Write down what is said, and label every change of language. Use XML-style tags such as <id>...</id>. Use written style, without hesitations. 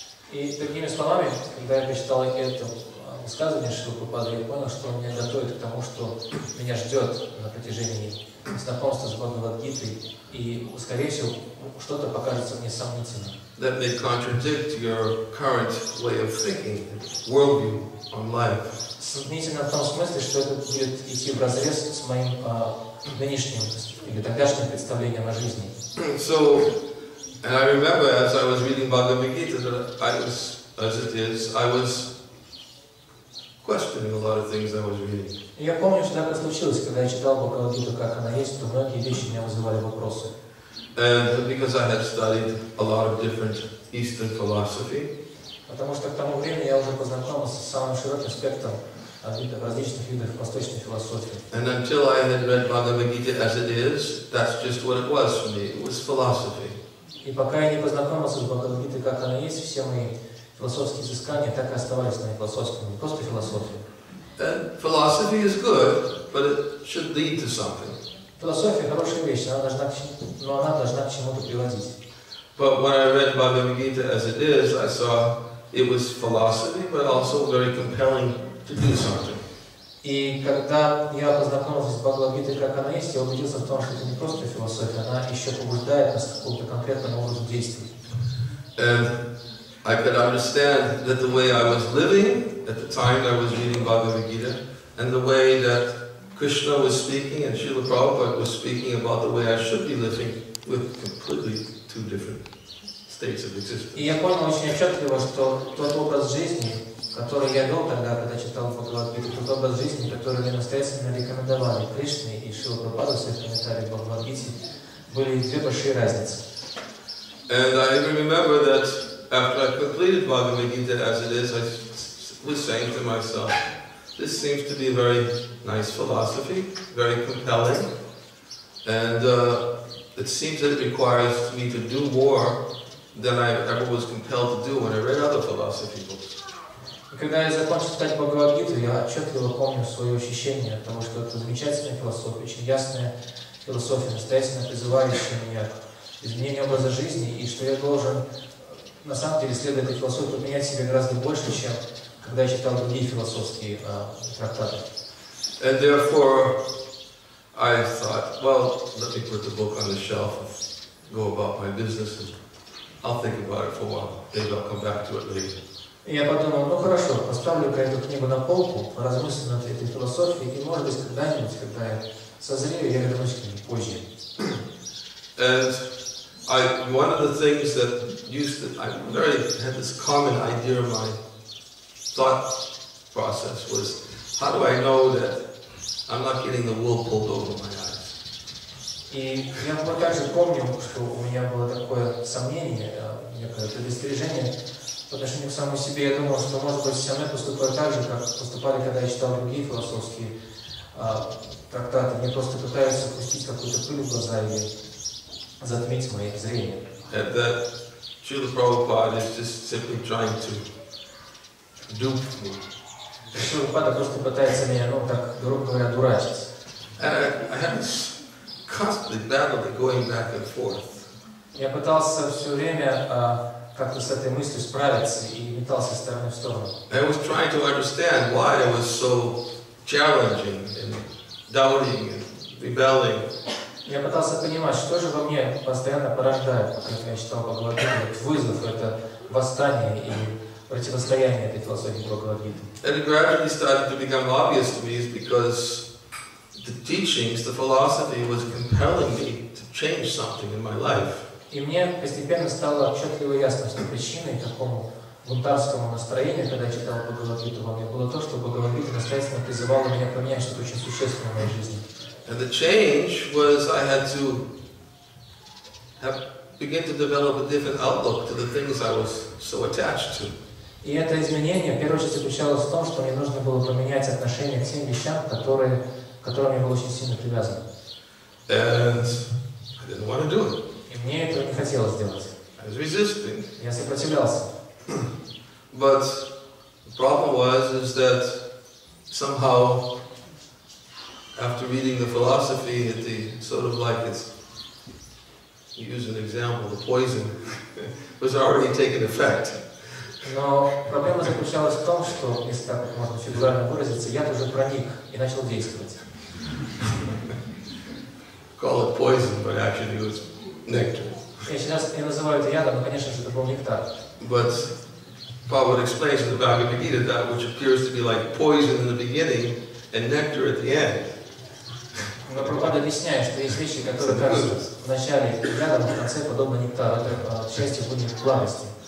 <ru>И другими словами, когда я прочитал это, сказание Шрилы Прабхупады, я понял, что он меня готовит к тому, что меня ждет на протяжении знакомства с Бхагавад Гитой, и, скорее всего, что-то покажется мне сомнительным.</ru> <en>That may contradict your current way of thinking, worldview on life.</en> <ru>Сомнительно в том смысле, что это будет идти вразрез с моим нынешним или тогдашним представлением о жизни.</ru> <en>So, and I remember as I was reading Bhagavad Gita, that I was, as it is, I was questioning a lot of things I was reading.</en> <ru>Я помню, что так и случилось, когда я читал Бхагавад Гиту, как она есть, то многие вещи меня вызывали вопросы.</ru> <en>And because I had studied a lot of different Eastern philosophy.</en> <ru>Потому что к тому времени я уже познакомился с самым широким спектром различных видов восточной философии.</ru> <en>And until I had read Bhagavad Gita as it is, that's just what it was for me. It was philosophy.</en> <ru>И пока я не познакомился с Бхагавад Гитой, как она есть, все мои философские изыскания так и оставались на философскими, просто философия.</ru> <en>And philosophy is good, but it should lead to something.</en> <ru>Философия хорошая вещь, она должна к чему-то приводить.</ru> <en>But when I read Bhagavad Gita as it is, I saw it was philosophy, but also very compelling to do something.</en> <ru>И когда я познакомился с Бхагавад Гитой, как она есть, я убедился в том, что это не просто философия, она еще побуждает нас к какому-то конкретному образу действий.</ru> <en>I could understand that the way I was living at the time I was reading Bhagavad Gita and the way that Krishna was speaking and Srila Prabhupada was speaking about the way I should be living with completely two different states of existence.</en> <ru>И я понял очень отчетливо, что тот образ жизни, который я вел тогда, когда читал Бхагавад Гиту, тот образ жизни, который мне настоятельно рекомендовали Кришна и Шрила Прабхупада в своих комментариях Бхагавад Гите, были две большие разницы.</ru> <en>And I even remember that after I completed Bhagavad Gita as it is, I was saying to myself, this seems to be a very nice philosophy, very compelling, and it seems that it requires me to do more than I ever was compelled to do when I read other philosophy books.</en> <ru>Когда я закончил читать Бхагавад Гиту, я отчетливо помню свое ощущение от того, что это замечательная философия, очень ясная философия, настоятельно призывающая меня к изменению образа жизни, и что я должен на самом деле следует этой философии поменять себя гораздо больше, чем когда я читал другие философские трактаты.</ru> <en>And therefore, I thought, well, let me put the book on the shelf and go about my business, and I'll think about it for a while. Maybe I'll come back to it later.</en> <ru>Я подумал, ну хорошо, поставлю-ка эту книгу на полку, поразмыслю над этой философией, и может быть когда-нибудь, когда я созрею, я вернусь к ней позже.</ru> <en>And I, one of the things that used to, I very had this common idea of my thought process was, how do I know that I'm not getting the wool pulled over my eyes?</en> <ru>И я также помню, что у меня было такое сомнение, некое предостережение по отношению к самому себе. Я думал, что, может быть, со мной поступают так же, как поступали, когда я читал другие философские трактаты. Мне просто пытаются пустить какую-то пыль в глаза и затмить мое зрение.</ru> <en>And that Srila Prabhupada is just simply trying to dupe me.</en> <ru>Srila Prabhupada просто пытается меня, ну, так, грубо говоря, дурачить.</ru> <en>And I have this constantly battle going back and forth.</en> <ru>Я пытался все время как-то с этой мыслью справиться и метался со стороны в сторону.</ru> <en>I was trying to understand why it was so challenging and doubting and rebelling.</en> <ru>Я пытался понимать, что же во мне постоянно порождает, как я читал Бхагавад-гиту, вызов, это восстание и противостояние этой философии Бхагавад-гиты.</ru> <en>And it gradually started to become obvious to me is because the teachings, the philosophy was compelling me to change something in my life.</en> <ru>И мне постепенно стало отчетливо ясно, что причиной такому бунтарскому настроению, когда я читал Бхагавад-гиту, во мне было то, что Бхагавад-гита настоятельно призывала меня поменять что-то очень существенное в моей жизни.</ru> <en>And the change was I had to have begin to develop a different outlook to the things I was so attached to.</en> <ru>И это изменение, в первую очередь, заключалось в том, что мне нужно было поменять отношение к тем вещам, которые, к которым я был очень сильно привязан.</ru> <en>And I didn't want to do it.</en> <ru>И мне этого не хотелось делать.</ru> <en>I was resisting.</en> <ru>Я сопротивлялся.</ru> <en>But the problem was is that somehow after reading the philosophy, it sort of like it's, you use an example, the poison was already taking effect.</en> <ru>Но проблема заключалась в том, что, если так можно фигурально выразиться, яд уже проник и начал действовать.</ru> <en>Call it poison, but actually it was nectar.</en> <ru>Я сейчас не называю это ядом, но, конечно же, это был нектар.</ru> <en>But Prabhupada explains in the Bhagavad Gita that which appears to be like poison in the beginning and nectar at the end.</en> <ru>Но Прабхупада объясняет, что есть вещи, которые кажутся в начале рядом, в конце подобно нектару. Это счастье будет в благости.</ru>